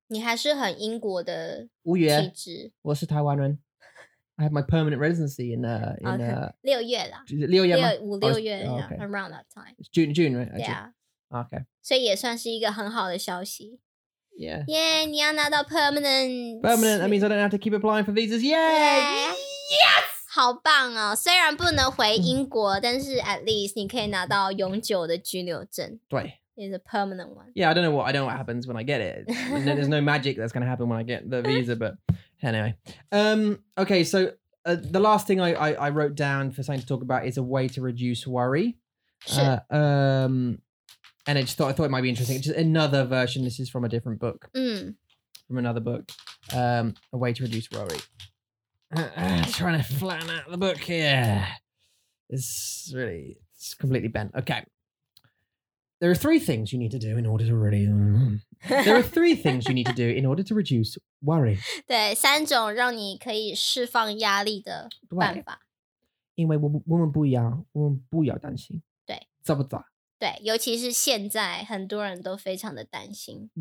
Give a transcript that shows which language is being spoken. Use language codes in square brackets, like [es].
[zh] 你还是很英国的体质。我是台湾人。 [en] I have my permanent residency in [zh] 六月啦，六月吗？五六月 [en] around that time. It's June, right? Yeah. Okay. [zh] 所以也算是一个很好的消息。 [en] Yeah. [zh] Yeah, 你要拿到 permanent. [en] Permanent, that means I don't have to keep applying for visas. Yes! [zh] 好棒哦！虽然不能回英国，但是 [en] at least [zh] 你可以拿到永久的居留证。对。 [en] It's a permanent one. Yeah, I don't know what happens when I get it. There's no magic that's going to happen when I get the visa, but anyway. Okay, so the last thing I wrote down for something to talk about is a way to reduce worry. And I thought it might be interesting. Just another version. This is from a different book. From another book. A way to reduce worry. Trying to flatten out the book here. It's completely bent. Okay. There are three things you need to do in order to really... There are three things you need to do in order to reduce worry. [zh] 对，三种让你可以释放压力的办法。因为我们不要，我们不要担心。对。咋不咋？对，尤其是现在，很多人都非常的担心。